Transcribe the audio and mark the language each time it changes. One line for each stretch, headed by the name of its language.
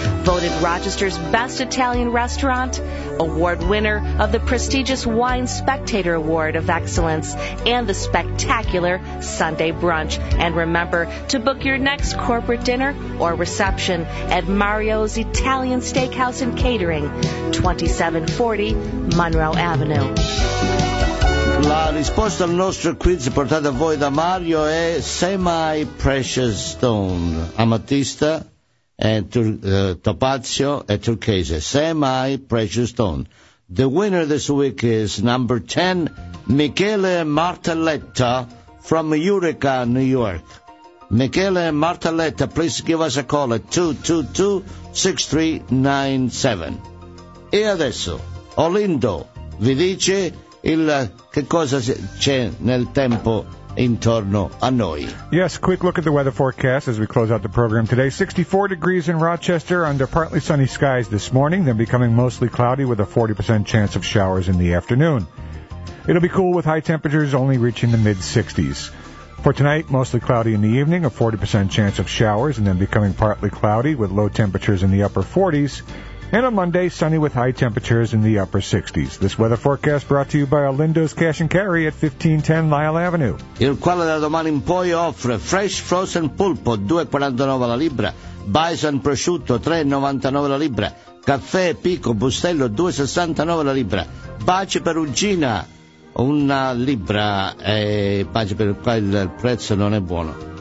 English: Voted Rochester's best Italian restaurant, award winner of the prestigious Wine Spectator Award of Excellence, and the spectacular Sunday brunch. And remember to book your next corporate dinner or reception at Mario's Italian Steakhouse and Catering, 2740 Monroe Avenue.
Italian: La risposta al nostro quiz portato a voi da Mario è
English: Semi Precious Stone,
Italian: amatista e topazio e turchese.
English: Semi Precious Stone. The winner this week is number 10, Michele Martelletta from Eureka, New York. Michele Martelletta, please give us a call at 222-6397.
Italian: E adesso, Olindo vi dice il che cosa c'è nel tempo intorno a noi.
English: Yes, quick look at the weather forecast as we close out the program today. 64 degrees in Rochester under partly sunny skies this morning, then becoming mostly cloudy with a 40% chance of showers in the afternoon. It'll be cool with high temperatures only reaching the mid-60s. For tonight, mostly cloudy in the evening, a 40% chance of showers and then becoming partly cloudy with low temperatures in the upper 40s. And on Monday, sunny with high temperatures in the upper 60s. This weather forecast brought to you by Olindo's Cash and Carry at 1510 Lyle Avenue.
Italian: Il quale da domani in poi offre fresh frozen pulpo, 2,49 la libra, bison prosciutto, 3,99 la libra, caffè Pico Bustello, 2,69 la libra, baci perugina, una libra, e baci per il prezzo non è buono.